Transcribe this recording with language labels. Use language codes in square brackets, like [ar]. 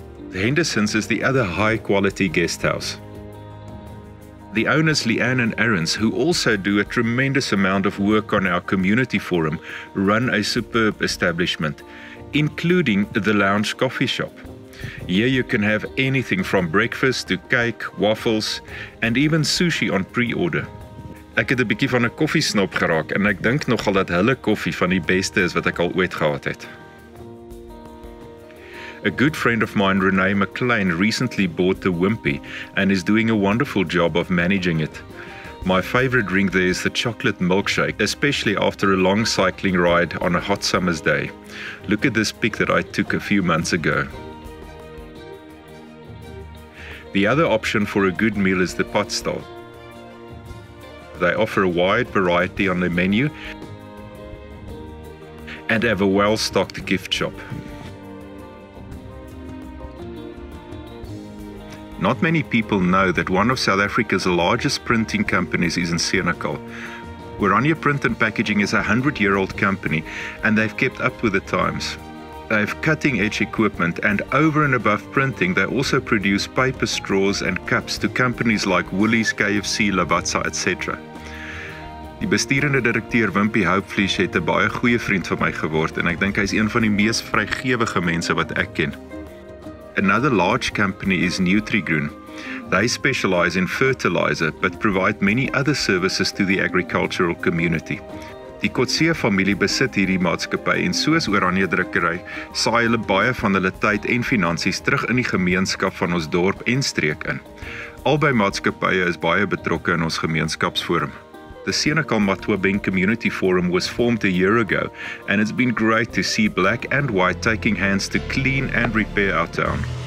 [en] The Henderson's is the other high quality guest house. The owners, Leanne and Aarons, who also do a tremendous amount of work on our community forum, run a superb establishment, including the lounge coffee shop. Here you can have anything from breakfast to cake, waffles, and even sushi on pre-order. [af] Ek het 'n bietjie van 'n koffiesnop geraak, en ek dink nogal dat hulle koffie van die beste is wat ek al ooit gehad het. [en] A good friend of mine, Renee McLean, recently bought the Wimpy and is doing a wonderful job of managing it. My favorite drink there is the chocolate milkshake, especially after a long cycling ride on a hot summer's day. Look at this pic that I took a few months ago. The other option for a good meal is the potstall. They offer a wide variety on their menu and have a well-stocked gift shop. Not many people know that one of South Africa's largest printing companies is in Senegal. Oranje Print and Packaging is a 100-year-old company, and they've kept up with the times. They have cutting-edge equipment, and over and above printing, they also produce paper straws and cups to companies like Woolies, KFC, Lavazza, etc. [af] Die besturende direkteur Wimpy Hoopvlies het 'n baie goeie vriend van my geword, en ek dink hy is een van die mees vrygewige mense wat ek ken. [en] Another large company is Nutrigroen. They specialize in fertilizer, but provide many other services to the agricultural community. [af] Die Kotseer familie besit hierdie maatskappy, en soos Oranje Drukkery, saai hulle baie van hulle tyd en finansies terug in die gemeenskap van ons dorp en streek in. Albei maatskappye is baie betrokke in ons gemeenskapsforum. [en] The Senekal Matwabeng Community Forum was formed a year ago, and it's been great to see black and white taking hands to clean and repair our town.